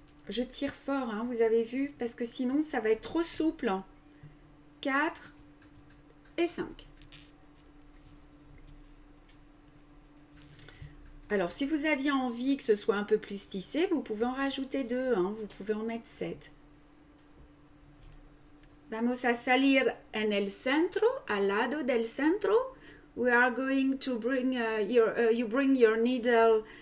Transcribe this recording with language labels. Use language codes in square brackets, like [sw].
[fr] Je tire fort, hein, vous avez vu, parce que sinon ça va être trop souple. 4 et 5. Alors, si vous aviez envie que ce soit un peu plus tissé, vous pouvez en rajouter 2, hein, vous pouvez en mettre 7. [es] Vamos a salir en el centro, al lado del centro. [en] We are going to bring you bring your needle.